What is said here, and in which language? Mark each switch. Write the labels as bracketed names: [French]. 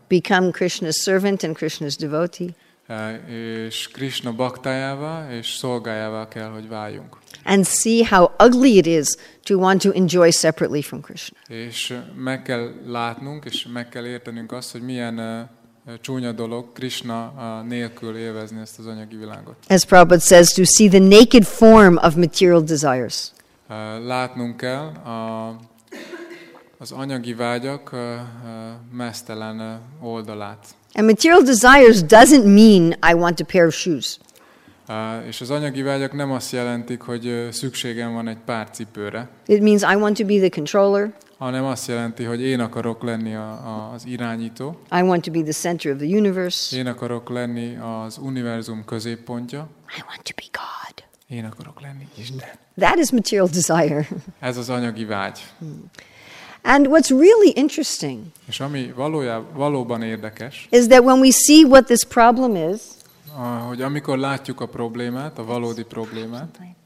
[English] Become Krishna's servant and Krishna's devotee. [Hungarian] És Krishna baktájává és szolgájává kell, hogy váljunk. [English] And see how ugly it is to want to enjoy separately from Krishna. [Hungarian] És meg kell látnunk és meg kell értenünk azt, hogy milyen csúnya dolog Krishna nélkül élvezni ezt az anyagi világot. [English] As Prabhupada says, to see the naked form of material desires. [Hungarian] Látnunk kell az anyagi vágyak mesztelen oldalát. [English] And material desires doesn't mean I want a pair of shoes. [Hungarian] És az anyagi vágyak nem azt jelentik, hogy szükségem van egy pár cipőre. [English] It means I want to be the controller. [Hungarian] Hanem azt jelenti, hogy én akarok lenni az irányító. [English] I want to be the center of the universe. [Hungarian] Én akarok lenni az univerzum középpontja. [English] I want to be God. [Hungarian] Én akarok lenni Isten. [English] That is material desire. [Hungarian] Ez az anyagi vágy. [English] And what's really interesting? [Hungarian] És ami valóban érdekes? [English] Is that when we see what this problem is? [Hungarian] Hogy amikor látjuk a problémát, a valódi problémát.